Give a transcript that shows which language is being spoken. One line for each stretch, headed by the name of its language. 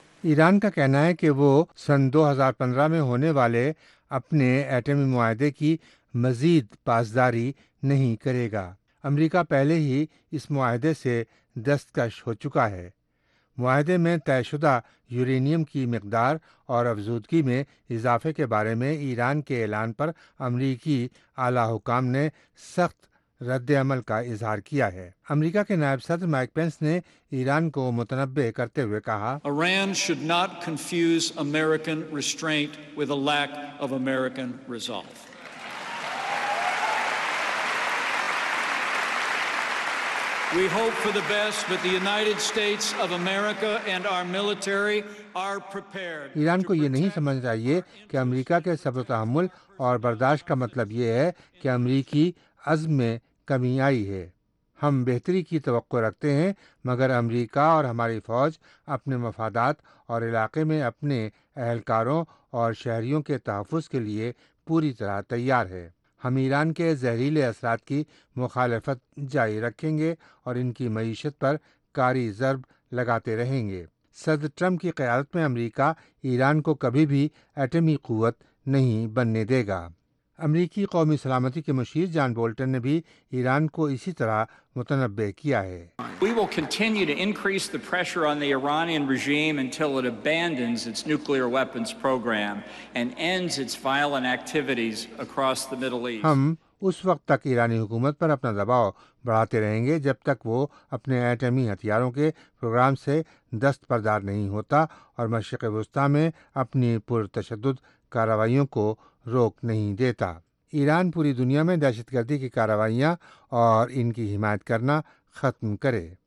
Urdu: ایران کا کہنا ہے کہ وہ سن 2015 میں ہونے والے اپنے ایٹمی معاہدے کی مزید پاسداری نہیں کرے گا۔ امریکہ پہلے ہی اس معاہدے سے دستکش ہو چکا ہے۔ معاہدے میں طے شدہ یورینیم کی مقدار اور افزودگی میں اضافے کے بارے میں ایران کے اعلان پر امریکی اعلی حکام نے سخت رد عمل کا اظہار کیا ہے۔ امریکہ کے نائب صدر مائک پینس نے ایران کو متنبہ کرتے ہوئے کہا،
English: Iran should not confuse American restraint with a lack of American resolve. We hope for the best, but the United States of America and our military are prepared.
Urdu: Iran کو یہ نہیں سمجھنا چاہیے کہ امریکہ کے صبر و تحمل اور برداشت کا مطلب یہ ہے کہ امریکی عزم میں کمی آئی ہے۔ ہم بہتری کی توقع رکھتے ہیں، مگر امریکہ اور ہماری فوج اپنے مفادات اور علاقے میں اپنے اہلکاروں اور شہریوں کے تحفظ کے لیے پوری طرح تیار ہے۔ ہم ایران کے زہریلے اثرات کی مخالفت جاری رکھیں گے اور ان کی معیشت پر کاری ضرب لگاتے رہیں گے۔ صدر ٹرمپ کی قیادت میں امریکہ ایران کو کبھی بھی ایٹمی قوت نہیں بننے دے گا۔ امریکی قومی سلامتی کے مشیر جان بولٹن نے بھی ایران کو اسی طرح متنبہ کیا ہے۔
English: We will continue to increase the pressure on the Iranian regime until it abandons its nuclear weapons program and ends its violent activities across the Middle East.
Urdu: ہم اس وقت تک ایرانی حکومت پر اپنا دباؤ بڑھاتے رہیں گے جب تک وہ اپنے ایٹمی ہتھیاروں کے پروگرام سے دستبردار نہیں ہوتا اور مشرق وسطی میں اپنی پرتشدد کارروائیوں کو روک نہیں دیتا۔ ایران پوری دنیا میں دہشت گردی کی کارروائیاں اور ان کی حمایت کرنا ختم کرے۔